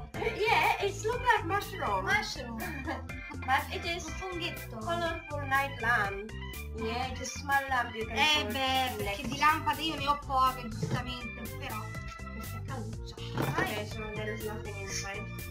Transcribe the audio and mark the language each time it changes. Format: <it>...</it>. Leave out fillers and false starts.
<en>Yeah, it looks like mushroom. But it is</en> <it>funghetto.</it> <en>Colorful night lamp. Yeah, it's a small lamp you can see.</en> <it>Perché di lampade io ne ho poche, giustamente, però questa è caluccia.</it> <en>Okay, so there is nothing inside.</en>